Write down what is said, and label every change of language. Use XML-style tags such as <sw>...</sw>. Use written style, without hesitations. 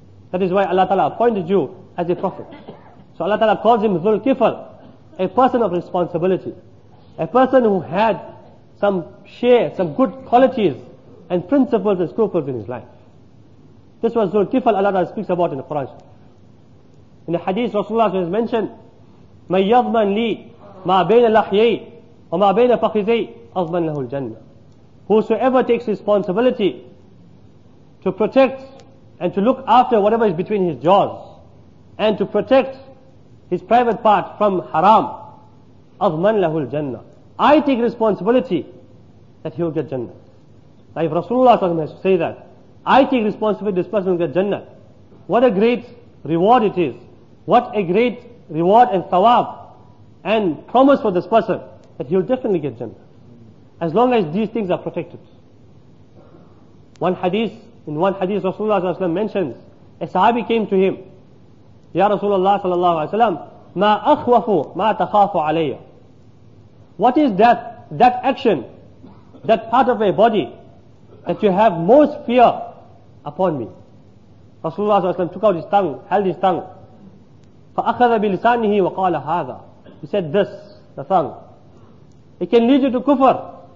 <en>That is why Allah Ta'ala appointed you as a prophet. So Allah Ta'ala calls him Zulkifl, a person of responsibility. A person who had some share, some good qualities and principles and scruples in his life. This was Zulkifl Allah Ta'ala speaks about in the Quran. In the hadith, Rasulullah has mentioned,</en> <ar>مَنْ يَضْمَنْ لِي مَا بَيْنَ لَحْيَيْ وَمَا بَيْنَ فَخِذَيْ أَضْمَنْ لَهُ الْجَنَّةِ.</ar> <en>Whosoever takes responsibility to protect and to look after whatever is between his jaws and to protect his private part from haram,</en> <ar>أَضْمَنْ لَهُ الْجَنَّةِ.</ar> <en>I take responsibility that he will get Jannah. Now if Rasulullah has to say that, I take responsibility this person will get Jannah. What a great reward it is. What a great reward and thawab and promise for this person that he will definitely get Jannah. As long as these things are protected. In one hadith Rasulullah ﷺ mentions, a sahabi came to him.</en> <ar>Ya Rasulullah ﷺ, مَا أَخْوَفُ مَا تَخَافُ عَلَيَّ.</ar> <en>What is that action, that part of a body that you have most fear upon me? Rasulullah ﷺ took out his tongue, held his tongue.</en> <ar>فَأَخَذَ بِلِسَانِهِ وَقَالَ هَذَا.</ar> <en>He said this, the tongue. It can lead you to kufr.</en>